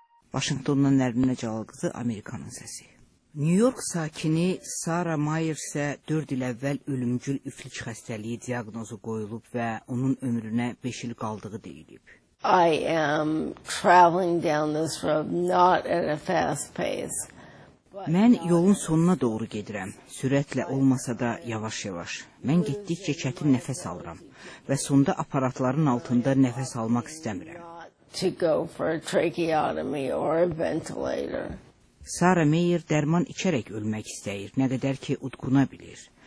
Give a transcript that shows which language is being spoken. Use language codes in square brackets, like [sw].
[az] Vaşinqtondan Nərminə Cavalqızı, Amerikanın səsi. New York sakini Sara Myers-ə 4 il əvvəl ölümcül üflük xəstəliyi diaqnozu qoyulub və onun ömrünə 5 il qaldığı deyilib. [en] I am traveling down this road not at a fast pace. [az] Mən yolun sonuna doğru gedirəm, sürətlə olmasa da yavaş-yavaş. Mən getdikcə çətin nəfəs alıram və sonda aparatların altında nəfəs almaq istəmirəm. [en] To go for a tracheotomy or a ventilator. [az] Sara Meyer dərman içərək ölmək istəyir, nə qədər ki udquna bilir.